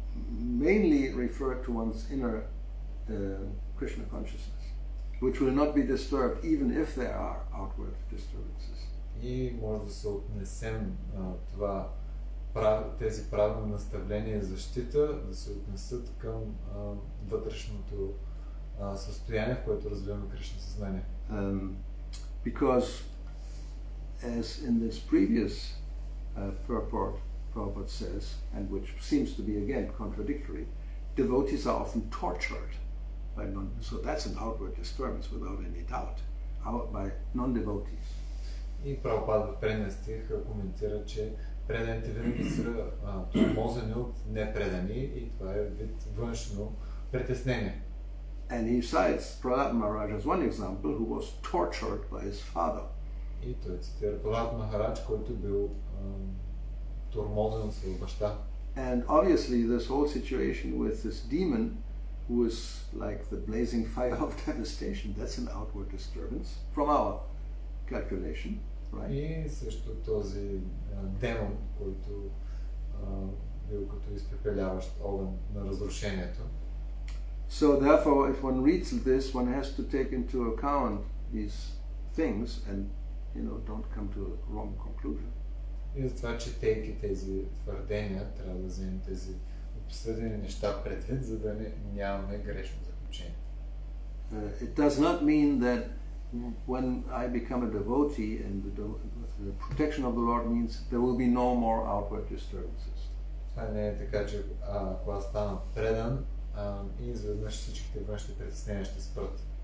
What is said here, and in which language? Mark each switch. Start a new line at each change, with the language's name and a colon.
English: mainly refer to one's inner Krishna consciousness, which will not be disturbed even if there are outward disturbances.
Bulgarian: И може да се отнесем това тези правилни наставления и защита да се отнесат към вътрешното състояние, в което развиваме Кришна съзнание.
English: Because as in this previous purport Prabhupada says, and which seems to be again contradictory, devotees are often tortured by non so that's an outward disturbance without any doubt, by non-devotees.
Bulgarian: И Прабхупада в предния стих коментира, че предените винаги са тормозени от непредани и това е вид външно притеснение.
English: And he cites Prahlad Maharaj as one example who was tortured by his father.
Bulgarian: И той цитира Прахлад Махарадж, който бил тормозен от своя баща.
English: And obviously this whole situation with this demon who is like the blazing fire of devastation, that's an outward disturbance from our calculation. Right.
Bulgarian: И също този демон, който бил като изпепеляващ огън на разрушението.
English: So therefore, if one reads this, one has to take into account these things and, you know, don't come to a wrong conclusion.
Bulgarian: И затова, четейки тези твърдения, трябва да вземем тези обсъдени неща предвид, за да нямаме грешно заключение.
English: It does not mean that when I become a devotee and the protection of the Lord means there will be no more outward disturbances.
Bulgarian: Това не е така, че ако аз стана предан и изведнъж всичките външни притеснения ще спрат.